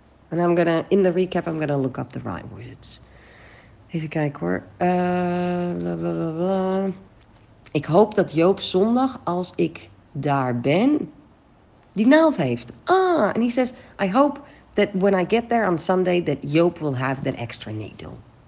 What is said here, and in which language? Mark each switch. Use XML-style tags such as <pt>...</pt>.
<en>And I'm gonna, in the recap, I'm gonna look up the right words.</en> <nl>Even kijken hoor. Blah, blah, blah, blah. Ik hoop dat Joop zondag, als ik daar ben, die naald heeft.</nl> <en>Ah, and he says, I hope that when I get there on Sunday, that Joop will have that extra needle.</en>